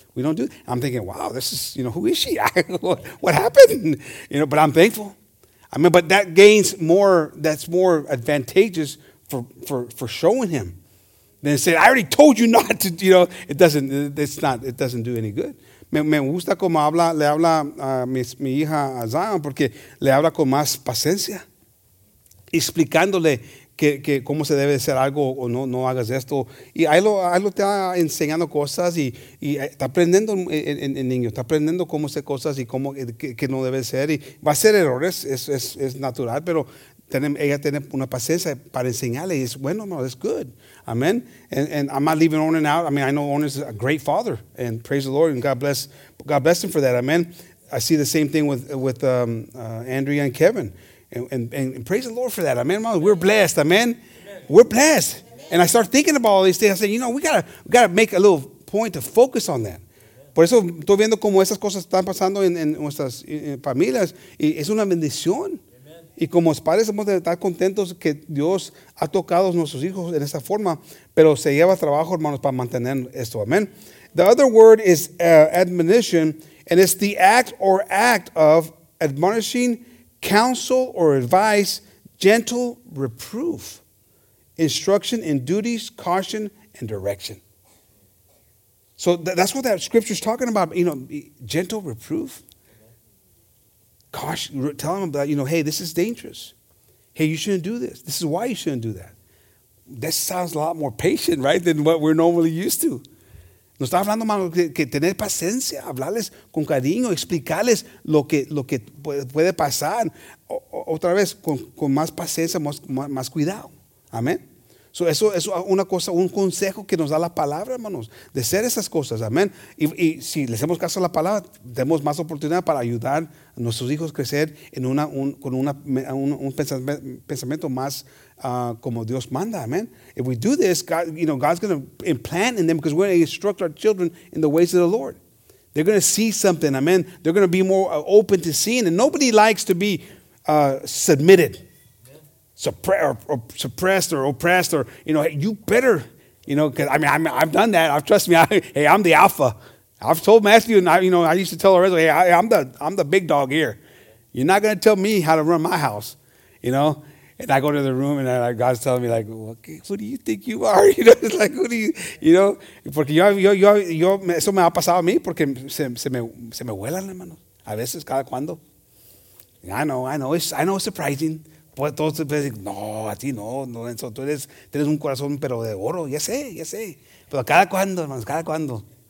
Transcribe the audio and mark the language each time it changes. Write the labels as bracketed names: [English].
[English] We don't do that. I'm thinking, wow, this is, you know, who is she? What happened? You know, but I'm thankful. I mean, but that gains more, that's more advantageous for showing him. Then say, I already told you not to, you know, it doesn't do any good. [Spanish] Me gusta como habla, le habla a mi hija a Zion, porque le habla con más paciencia, explicándole que cómo se debe hacer algo o no hagas esto. Y ahí lo está enseñando cosas y está aprendiendo el niño, está aprendiendo cómo hacer cosas y cómo que no debe ser. Y va a hacer errores, es natural, pero ella tiene una paciencia para enseñarle. Y es bueno, no, [English] it's good. [Spanish] Amen. [English] And I'm not leaving Onan out. I mean, I know Onan's a great father. And praise the Lord. And God bless him for that. Amen. I see the same thing with Andrea and Kevin. And praise the Lord for that. Amen. We're blessed. Amen. Amen. We're blessed. Amen. And I start thinking about all these things. I say, you know, we gotta make a little point to focus on that. [Spanish] Por eso estoy viendo cómo esas cosas están pasando en nuestras familias. Y es una bendición. Y como padres hemos de estar contentos que Dios ha tocado a nuestros hijos en esa forma, pero se lleva trabajo, hermanos, para mantener esto. Amen. [English] The other word is admonition, and it's the act of admonishing, counsel or advice, gentle reproof, instruction in duties, caution and direction. So that's what that scripture is talking about, you know, gentle reproof. Caution, tell them about, you know, hey, this is dangerous. Hey, you shouldn't do this. This is why you shouldn't do that. That sounds a lot more patient, right, than what we're normally used to. [Spanish] No está hablando más que tener paciencia, hablarles con cariño, explicarles lo que puede pasar. Otra vez, con más paciencia, más cuidado. Amén. So eso es una cosa, un consejo que nos da la palabra, hermanos, de hacer esas cosas, amén. Y si le hacemos caso a la palabra, tenemos más oportunidad para ayudar a nuestros hijos a crecer en un pensamiento más como Dios manda, amén. [English] If we do this, God, you know, God's going to implant in them because we're going to instruct our children in the ways of the Lord. They're going to see something, amén. They're going to be more open to seeing. And nobody likes to be submitted. Or suppressed or oppressed or, you know, hey, you better, you know, because I mean, I've done that. Hey, I'm the alpha. I've told Matthew and I used to tell Lorenzo, hey, I'm the big dog here. You're not going to tell me how to run my house, you know. And I go to the room and God's telling me like, okay, who do you think you are? You know, it's like, who do you, you know. [Spanish] Porque yo, eso me ha pasado a mí porque se me vuelan, hermano. A veces, cada cuando. [English] I know, it's surprising. [Spanish] Pues todos dicen, no, a ti no, Lorenzo, tú tienes un corazón pero de oro, ya sé, pero cada cuando, hermanos, cada cuando.